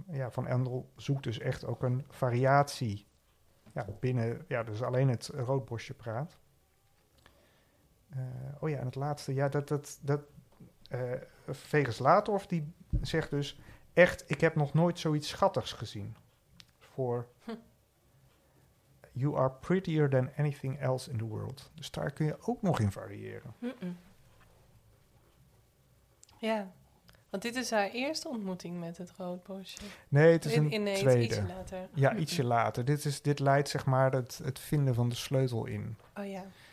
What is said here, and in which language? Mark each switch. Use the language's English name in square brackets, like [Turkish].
[Dutch] Van Andel zoekt dus echt ook een variatie binnen. Ja, dus alleen het roodborstje praat. En het laatste. Ja, Vegas Latorf die zegt dus echt, ik heb nog nooit zoiets schattigs gezien. Voor [English] you are prettier than anything else in the world. [Dutch] Dus daar kun je ook nog in variëren. Ja. Want dit is haar eerste ontmoeting met het roodborstje. Nee, het is een ineens, tweede. Ineens, ietsje later. Ja, ietsje later. Dit leidt zeg maar het vinden van de sleutel in. Oh ja.